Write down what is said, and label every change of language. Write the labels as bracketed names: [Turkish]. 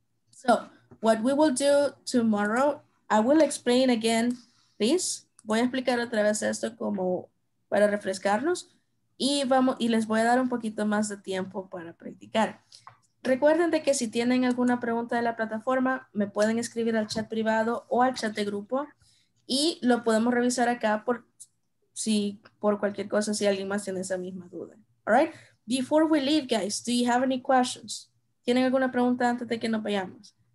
[English] So what we will do tomorrow, I will explain again this. [Spanish] Voy a explicar otra vez esto como para refrescarnos. Y vamos, y les voy a dar un poquito más de tiempo para practicar. Recuerden de que si tienen alguna pregunta de la plataforma, me pueden escribir al chat privado o al chat de grupo. Y lo podemos revisar acá por... si por cualquier cosa, si alguien más tiene esa misma duda. [English] All right? Before we leave, guys, do you have any questions? [Spanish] ¿Tienen alguna pregunta antes de que nos vayamos?